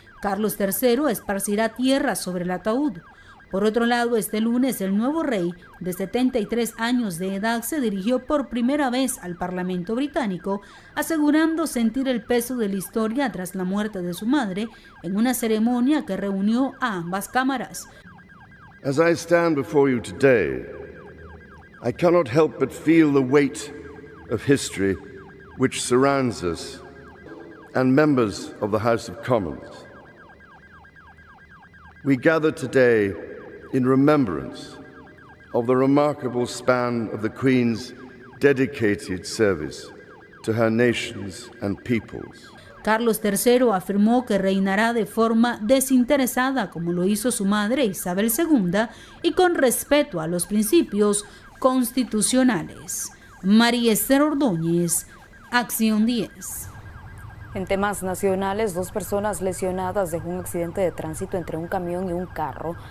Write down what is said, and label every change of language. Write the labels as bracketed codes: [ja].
[es] Carlos III esparcirá tierra sobre el ataúd. Por otro lado, este lunes el nuevo rey, de 73 años de edad, se dirigió por primera vez al Parlamento británico, asegurando sentir el peso de la historia tras la muerte de su madre en una ceremonia que reunió a ambas cámaras. [en] As I stand before you today, I cannot help but feel the weight of history which surrounds us and members of the House of Commons. We gather today in remembrance of the remarkable span of the Queen's dedicated service to her nations and peoples. [es] Carlos III afirmó que reinará de forma desinteresada, como lo hizo su madre Isabel II, y con respeto a los principios constitucionales. María Esther Ordóñez, Acción 10. En temas nacionales, dos personas lesionadas dejó un accidente de tránsito entre un camión y un carro.